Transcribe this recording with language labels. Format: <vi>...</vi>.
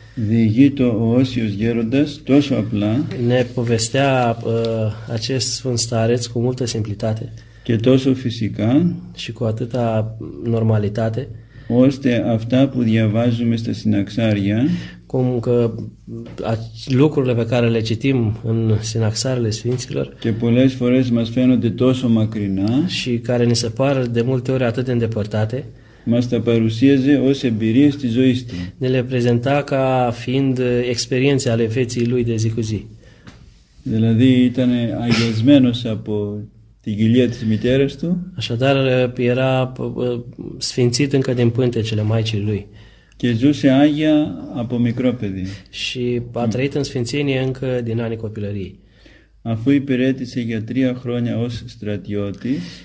<el>Διηγείται ο Όσιος Γέροντας τόσο απλά.</el> <ro>Ne povestea acest sfânt stareț cu multă simplitate.</ro> <el>Και τόσο φυσικά.</el> <ro>Și cu atâta normalitate.</ro> <el>Ώστε αυτά που διαβάζουμε στα συναξάρια.</el> <ro>Cum că lucrurile pe care le citim în sinaxarele Sfinților</ro> <el>και πολλές φορές μας φαίνονται τόσο μακρινά</el> <ro>și care ni se par de multe ori atât de îndepărtate</ro> <el>μας τα παρουσίαζε ως εμπειρίες της ζωής του.</el> <ro>Ne le prezenta ca fiind experiențe ale feții lui de zi cu zi.</ro> <el>Δηλαδή ήταν αγιασμένος από την κοιλία της μητέρας του.</el> <ro>Așadar era sfințit încă din pântecele Maicii lui.</ro> <el>Και ζούσε άγια από μικρό παιδί.</el> <ro>Și a trăit în sfințenie încă din anii copilăriei.</ro> <el>Αφού υπηρέτησε για 3 χρόνια ως στρατιώτης.</el>